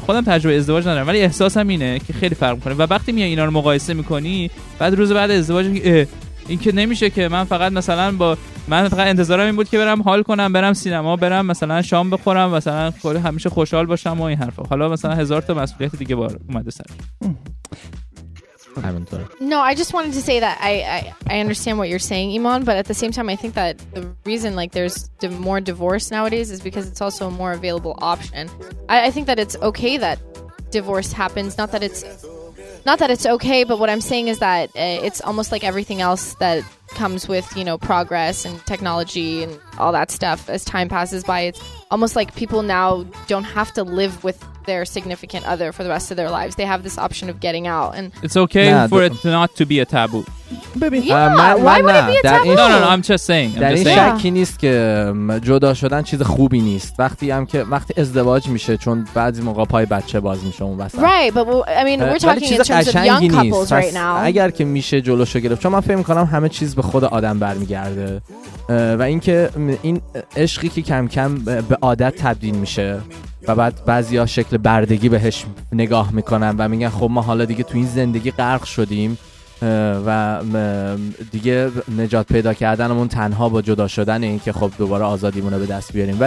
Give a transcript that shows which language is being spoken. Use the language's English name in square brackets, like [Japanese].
[Persian] خودم تجربه ازدواج ندارم ولی احساسم اینه که خیلی فرق میکنه، و وقتی میای اینا رو مقایسه میکنی بعد روز بعد ازدواج میگی این که نمیشه که، من فقط مثلا با من فقط انتظارم این بود که برم حال کنم، برم سینما، برم مثلا شام بخورم، مثلا کلی همیشه خوشحال باشم و این حرفا، حالا مثلا هزار تا مسئولیت دیگه بار اومده سر. [English] No, I just wanted to say that I understand what you're saying, Iman, but at the same time I think that the reason like there's more divorce nowadays is because it's also a more available option. I think that it's okay that divorce happens, not that it's okay, but what I'm saying is that it's almost like everything else that comes with, you know, progress and technology and all that stuff. As time passes by, it's almost like people now don't have to live with their significant other for the rest of their lives. They have this option of getting out, and it's okay for it not to be a taboo. Yeah, why would it be a taboo? No, I'm just saying. [Persian] شکی نیست که جدا شدن چیز خوبی نیست. وقتی ازدواج میشه، چون بعضی موقع پای بچه باز میشه اون وسط. [English] Right, but I mean we're talking in terms of young couples right now. [Persian] اگر که میشه جلوشو گرفت، چون من فکر میکنم همه چیز به خود آدم برمیگرده. و اینکه این عشقی که کم کم به عادت تبدیل میشه و بعد بعضیا شکل بردگی بهش نگاه میکنن و میگن خب ما حالا دیگه تو این زندگی غرق شدیم و دیگه نجات پیدا کردنمون تنها با جدا شدن، این که خب دوباره آزادیمون رو به دست بیاریم.